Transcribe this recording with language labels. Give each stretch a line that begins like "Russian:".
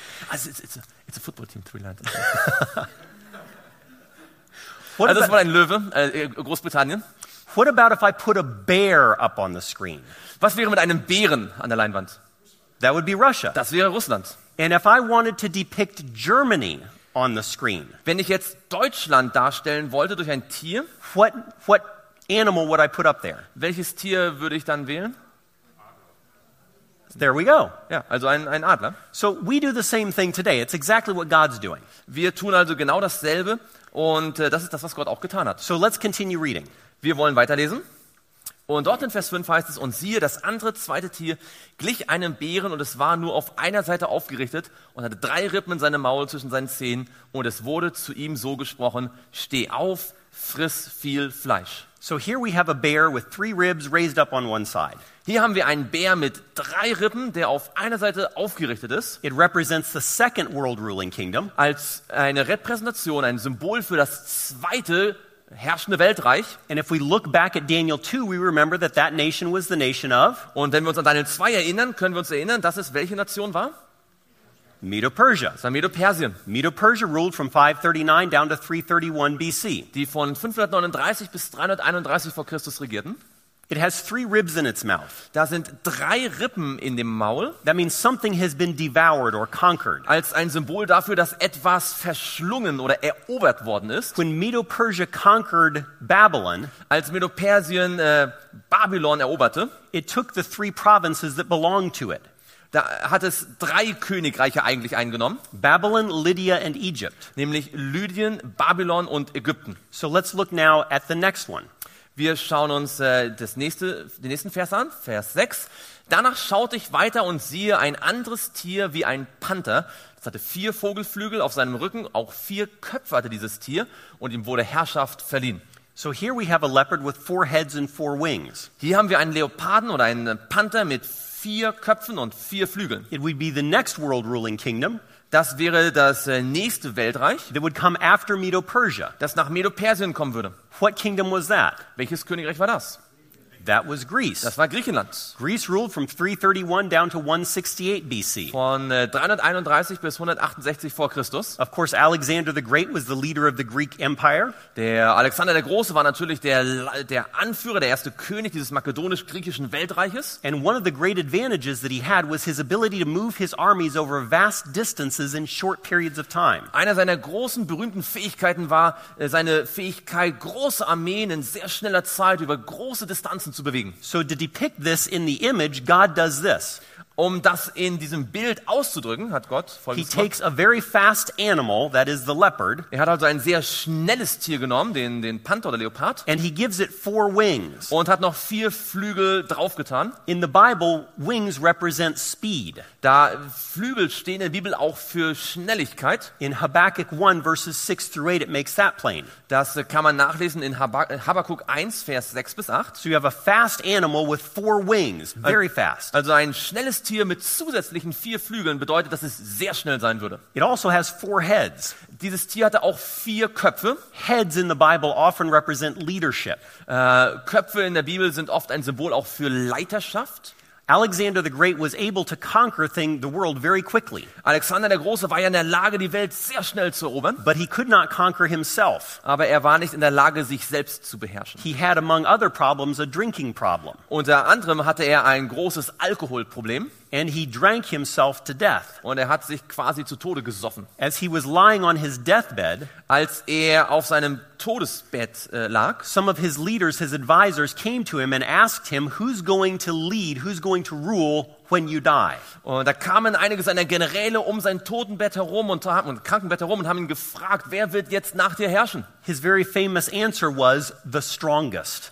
English: Also it's a football team, three lions.
German: Also das war ein Löwe, Großbritannien.
English: What about if I put a bear up on the screen?
German: Was wäre mit einem Bären an der Leinwand?
English: That would be Russia.
German: Das wäre Russland.
English: And if I wanted to depict Germany on the screen?
German: Wenn ich jetzt Deutschland darstellen wollte durch ein Tier?
English: What animal would I put up there?
German: Welches Tier würde ich dann wählen?
English: There we go.
German: Ja, also ein Adler.
English: So we do the same thing today. It's exactly what God's doing.
German: Wir tun also genau dasselbe und das ist das, was Gott auch getan hat.
English: So let's continue reading.
German: Wir wollen weiterlesen. Und dort in Vers 5 heißt es, und siehe, das andere, zweite Tier glich einem Bären und es war nur auf einer Seite aufgerichtet und hatte drei Rippen in seinem Maul zwischen seinen Zähnen und es wurde zu ihm so gesprochen, steh auf, friss viel Fleisch.
English: So here we have a bear with three ribs raised up on one side.
German: Hier haben wir einen Bär mit drei Rippen, der auf einer Seite aufgerichtet ist.
English: It represents the second world ruling kingdom.
German: Als eine Repräsentation, ein Symbol für das zweite herrschende Weltreich.
English: And if we look back at Daniel 2, we remember that that nation was the nation of.
German: Und wenn wir uns an Daniel 2 erinnern, können wir uns erinnern, dass es welche Nation war?
English: Medo-Persia.
German: Das war Medo-Persien.
English: Medo-Persia ruled from 539 down to 331 BC.
German: Die von 539 bis 331 vor Christus regierten.
English: It has three ribs in its mouth.
German: Da sind drei Rippen in dem Maul.
English: That means something has been devoured or conquered.
German: Als ein Symbol dafür, dass etwas verschlungen oder erobert worden ist.
English: When Medo-Persia conquered Babylon,
German: als Medo-Persien Babylon eroberte,
English: it took the three provinces that belonged to it.
German: Da hat es drei Königreiche eigentlich eingenommen.
English: Babylon, Lydia and Egypt.
German: Nämlich Lydien, Babylon und Ägypten.
English: So let's look now at the next one.
German: Wir schauen uns den nächsten Vers an, Vers 6. Danach schaute ich weiter und siehe ein anderes Tier wie ein Panther. Es hatte vier Vogelflügel auf seinem Rücken, auch vier Köpfe hatte dieses Tier und ihm wurde Herrschaft verliehen.
English: So here we have a leopard with four heads and four wings.
German: Hier haben wir einen Leoparden oder einen Panther mit vier Köpfen und vier Flügeln.
English: It would be the next world ruling kingdom.
German: Das wäre das nächste Weltreich.
English: That would come after Medo-Persia.
German: Das nach Medo-Persien kommen würde.
English: What kingdom was that?
German: Welches Königreich war das?
English: That was Greece.
German: Das war Griechenland.
English: Greece ruled from 331 down to 168 BC.
German: Von 331 bis 168 vor Christus.
English: Of course, Alexander the Great was the leader of the Greek Empire.
German: Der Alexander der Große war natürlich der Anführer, der erste König dieses makedonisch-griechischen Weltreiches.
English: And one of the great advantages that he had was his ability to move his armies over vast distances in short periods of time.
German: Einer seiner großen berühmten Fähigkeiten war seine Fähigkeit, große Armeen in sehr schneller Zeit über große Distanzen zu bewegen.
English: So to depict this in the image, God does this.
German: um das in diesem Bild auszudrücken, hat Gott
English: He takes a very fast animal, that is the leopard.
German: Er hat also ein sehr schnelles Tier genommen, den Panther oder Leopard.
English: And he gives it four wings.
German: Und hat noch vier Flügel draufgetan.
English: In the Bible, wings represent speed.
German: Da Flügel stehen in der Bibel auch für Schnelligkeit.
English: In Habakkuk 1, verses 6 through 8, it makes that plain.
German: Das kann man nachlesen in Habakkuk 1, Vers 6 bis 8.
English: So you have a fast animal with four wings, very fast.
German: Also ein schnelles Tier mit zusätzlichen vier Flügeln bedeutet, dass es sehr schnell sein würde.
English: It also has four heads.
German: Dieses Tier hatte auch vier Köpfe.
English: Heads in the Bible often represent leadership.
German: Köpfe in der Bibel sind oft ein Symbol auch für Leiterschaft.
English: Alexander the Great was able to conquer the world very quickly.
German: Alexander der Große war ja in der Lage, die Welt sehr schnell zu erobern.
English: But he could not conquer himself.
German: Aber er war nicht in der Lage, sich selbst zu beherrschen.
English: He had among other problems a drinking problem.
German: Unter anderem hatte er ein großes Alkoholproblem.
English: And he drank himself to death.
German: Und er hat sich quasi zu Tode gesoffen.
English: As he was lying on his deathbed,
German: als er auf seinem Todesbett lag,
English: some of his leaders, his advisors, came to him and asked him, "Who's going to lead? Who's going to rule when you die?"
German: Und da kamen einige seiner Generäle um sein Totenbett herum und Krankenbett herum und haben ihn gefragt, wer wird jetzt nach dir herrschen?
English: His very famous answer was the strongest.